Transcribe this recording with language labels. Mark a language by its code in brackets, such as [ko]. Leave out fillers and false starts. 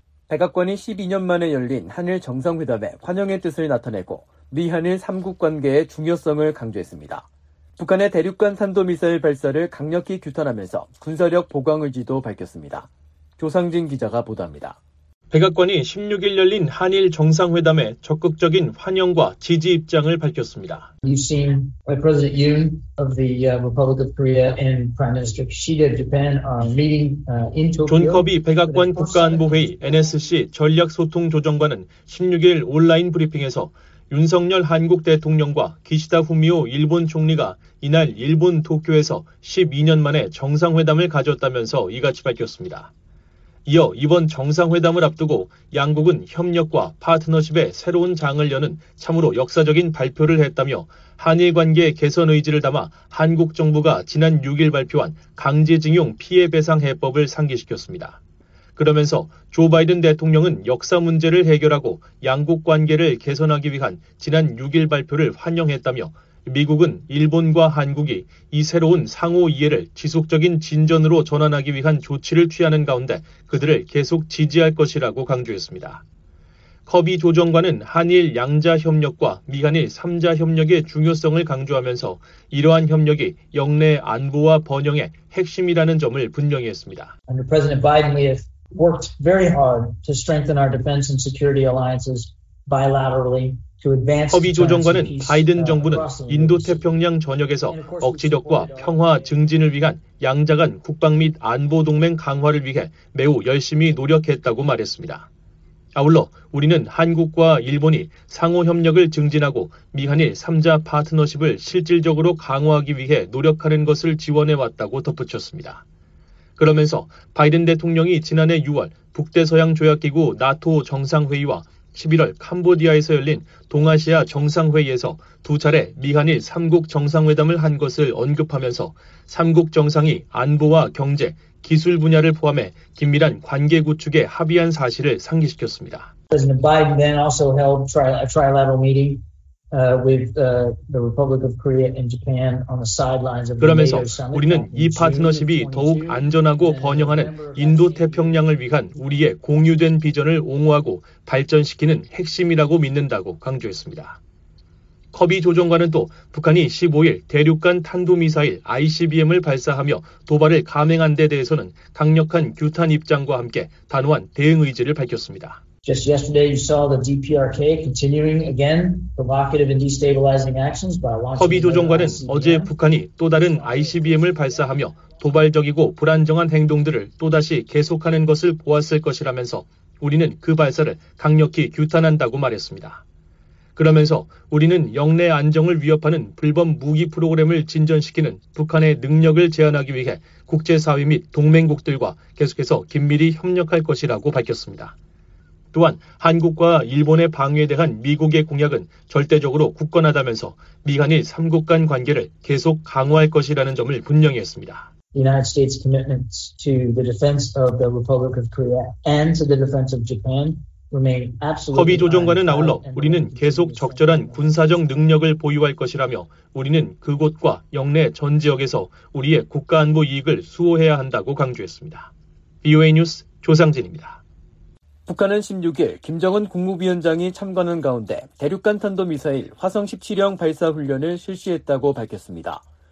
[ko] 백악관이 12년 만에 열린 한일 정상회담에 환영의 뜻을 나타내고 미한일 3국 관계의 중요성을 강조했습니다. 북한의 대륙간 탄도미사일 발사를 강력히 규탄하면서 군사력 보강 의지도 밝혔습니다. 조상진 기자가 보도합니다. 백악관이 16일 열린 한일 정상회담에 적극적인 환영과 지지 입장을 밝혔습니다. [en] You've seen President Yoon of the Republic of Korea and Prime Minister Kishida of Japan meeting in Tokyo. [ko] 존 커비 백악관 국가안보회의 NSC 전략소통조정관은 16일 온라인 브리핑에서 윤석열 한국 대통령과 기시다 후미오 일본 총리가 이날 일본 도쿄에서 12년 만에 정상회담을 가졌다면서 이같이 밝혔습니다. 이어 이번 정상회담을 앞두고 양국은 협력과 파트너십의 새로운 장을 여는 참으로 역사적인 발표를 했다며 한일 관계 개선 의지를 담아 한국 정부가 지난 6일 발표한 강제징용 피해배상 해법을 상기시켰습니다. 그러면서 조 바이든 대통령은 역사 문제를 해결하고 양국 관계를 개선하기 위한 지난 6일 발표를 환영했다며 미국은 일본과 한국이 이 새로운 상호 이해를 지속적인 진전으로 전환하기 위한 조치를 취하는 가운데 그들을 계속 지지할 것이라고 강조했습니다. 커비 조정관은 한일 양자 협력과 미한일 3자 협력의 중요성을 강조하면서 이러한 협력이 역내 안보와 번영의 핵심이라는 점을 분명히 했습니다. [en] Under President Biden, we have worked very hard to strengthen our defense and security alliances bilaterally. [ko] 커비 조정관은 바이든 정부는 인도태평양 전역에서 억지력과 평화 증진을 위한 양자간 국방 및 안보 동맹 강화를 위해 매우 열심히 노력했다고 말했습니다. 아울러 우리는 한국과 일본이 상호협력을 증진하고 미한일 3자 파트너십을 실질적으로 강화하기 위해 노력하는 것을 지원해왔다고 덧붙였습니다. 그러면서 바이든 대통령이 지난해 6월 북대서양 조약기구 나토 정상회의와 11월 캄보디아에서 열린 동아시아 정상회의에서 두 차례 미한일 3국 정상회담을 한 것을 언급하면서 3국 정상이 안보와 경제, 기술 분야를 포함해 긴밀한 관계 구축에 합의한 사실을 상기시켰습니다. [en] President Biden then also held a trilateral meeting with the Republic of Korea and Japan on the sidelines of the [ko] 그러면서 우리는 이 파트너십이 더욱 안전하고 번영하는 인도 태평양을 위한 우리의 공유된 비전을 옹호하고 발전시키는 핵심이라고 믿는다고 강조했습니다. 커비 조정관은 또 북한이 15일 대륙간 탄도미사일 ICBM을 발사하며 도발을 감행한 데 대해서는 강력한 규탄 입장과 함께 단호한 대응 의지를 밝혔습니다. [en] Just yesterday you saw the DPRK continuing again provocative and destabilizing actions by launching [ko] 커비 조정관은 어제 북한이 또 다른 ICBM을 발사하며 도발적이고 불안정한 행동들을 또다시 계속하는 것을 보았을 것이라면서 우리는 그 발사를 강력히 규탄한다고 말했습니다. 그러면서 우리는 영내 안정을 위협하는 불법 무기 프로그램을 진전시키는 북한의 능력을 제한하기 위해 국제사회 및 동맹국들과 계속해서 긴밀히 협력할 것이라고 밝혔습니다. 또한 한국과 일본의 방위에 대한 미국의 공약은 절대적으로 굳건하다면서 미한일 3국 간 관계를 계속 강화할 것이라는 점을 분명히 했습니다. [en] United States commitment to the defense of the Republic of Korea and to the defense of Japan remain absolutely. [ko] 커비 조정관은 아울러 우리는 계속 적절한 군사적 능력을 보유할 것이라며 우리는 그곳과 영내 전 지역에서 우리의 국가 안보 이익을 수호해야 한다고 강조했습니다. VOA 뉴스 조상진입니다. 북한은 16일 김정은 국무위원장이 참관한 가운데 대륙간 탄도미사일 화성 17형 발사 훈련을 실시했다고 밝혔습니다.